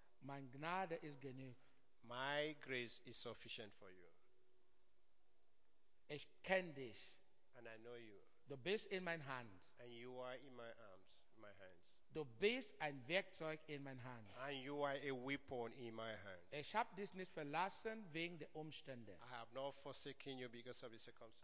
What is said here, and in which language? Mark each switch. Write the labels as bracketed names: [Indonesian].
[German] Mein Gnade ist genug. [English] My grace is sufficient for you. [German] Ich kenne dich. [English] And I know you. [German] Du bist in mein Hand. [English] And you are in my arms, in my hands. [German] Du bist ein Werkzeug in mein Hand. [English] And you are a weapon in my hand. [German] Ich habe dich nicht verlassen wegen der Umstände. [English] I have not forsaken you because of the circumstances.